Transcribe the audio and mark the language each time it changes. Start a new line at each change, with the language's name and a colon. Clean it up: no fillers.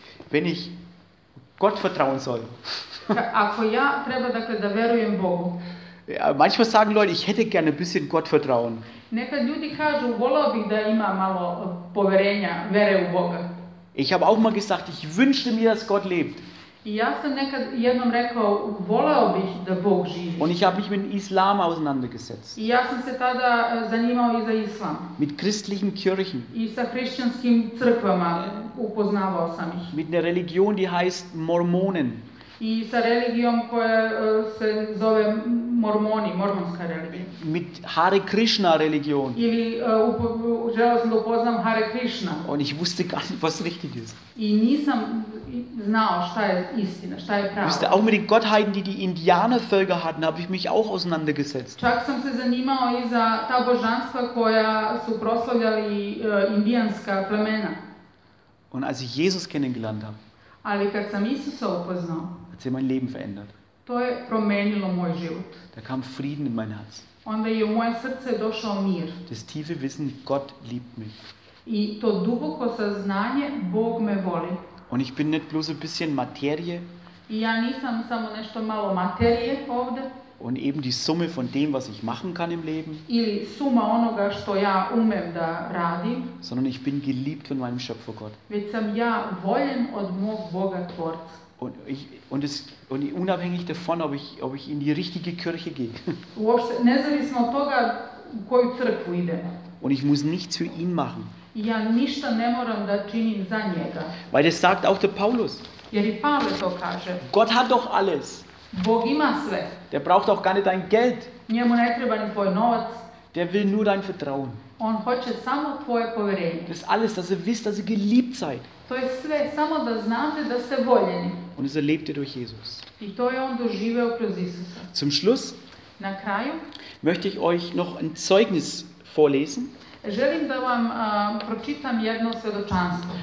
German: Wenn ich Gott vertrauen soll.
Serbian: Ako ja treba dakle da verujem Bogu.
German: Ja, manchmal sagen Leute, ich hätte gerne ein bisschen Gottvertrauen.
Serbian: Nekad ljudi kažu, voleo bih da ima malo poverenja, vere u Boga.
German: Ich habe auch mal gesagt, ich wünschte mir, dass Gott lebt.
Serbian: I ja sam nekad jednom rekao, voleo bih da Bog živi.
German: Und ich habe mich mit Islam auseinandergesetzt.
Serbian: I ja sam se tada zanimao i za Islam.
German: Mit christlichen Kirchen.
Serbian: I sa hrišćanskim crkvama upoznavao sam ih.
German: Mit einer Religion, die heißt Mormonen.
Serbian: I sa religijom koja se zove Mormoni, mormonska religija.
German: Mit Hare Krishna Religion.
Serbian: Ili želeo sam da upoznam Hare Krishna.
German: Und ich wusste gar nicht, was richtig ist.
Serbian: I nisam znao šta je istina, šta je pravo.
German: Wusste auch mit den Gottheiten, die Indianervölker hatten, habe ich mich auch auseinandergesetzt.
Serbian: Čak sam se zanimao i za ta božanstva koja su proslavljali indijanska plemena.
German: Und als ich Jesus kennengelernt habe.
Serbian: Ali kad sam Isusa upoznao.
German: Hat sich mein Leben verändert.
Serbian: To je promenilo moj život.
German: Da kam Frieden in mein Herz.
Serbian: Onda je u moje srce došao mir.
German: Das tiefe Wissen, Gott liebt mich.
Serbian: I to duboko saznanje, Bog me voli.
German: Und ich bin nicht bloß ein bisschen Materie.
Serbian: I ja nisam samo nešto malo materije ovde.
German: Und eben die Summe von dem, was ich machen kann im Leben.
Serbian: Ili suma onoga što ja umem da radim.
German: Sondern ich bin geliebt von meinem Schöpfer Gott.
Serbian: Već sam ja voljen od mog Boga Tvorca.
German: Und unabhängig davon, ob ich in die richtige Kirche gehe.
Serbian: Uopšte, nezavisno od toga u koju crkvu idem.
German: Und ich muss nichts für ihn machen.
Serbian: Ja ništa ne moram da činim za njega.
German: Weil das sagt auch der Paulus.
Serbian: Jer i Pavle to kaže.
German: Gott hat doch alles.
Serbian: Bog ima sve.
German: Der braucht auch gar nicht dein Geld.
Serbian: Njemu ne treba ni tvoj novac.
German: Der will nur dein Vertrauen.
Serbian: On hoće samo tvoje poverenje.
German: Das ist alles, dass ihr wisst, dass ihr geliebt seid.
Serbian: To je sve, samo da znate da ste voljeni.
German: Und es erlebt ihr durch Jesus.
Serbian: I to je on doživeo kroz Isusa.
German: Zum Schluss
Serbian: na kraju
German: möchte ich euch noch ein Zeugnis vorlesen.
Serbian: Želim da vam pročitam jedno svedočanstvo.